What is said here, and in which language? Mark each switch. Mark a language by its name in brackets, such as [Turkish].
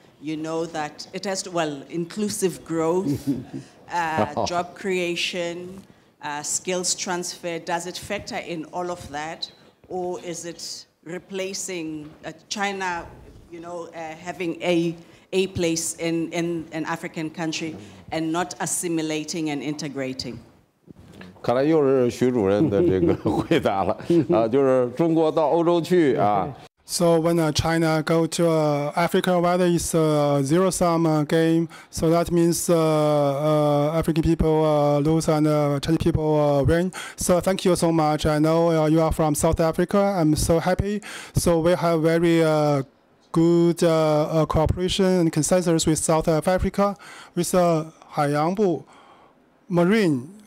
[English] You know that it has to, well, inclusive growth, job creation, skills transfer, does it factor in all of that? Or is it replacing China, you know, having a place in an African country and not assimilating and integrating? [Chinese] 看来又是徐主任的这个回答了，就是中国到欧洲去啊。 [English] So when China go to Africa, whether it's a zero-sum game, so that means African people lose and Chinese people win. So thank you so much. I know you are from South Africa. I'm so happy. So we have very good cooperation and consensus with South Africa, with Haiyangbu Marine.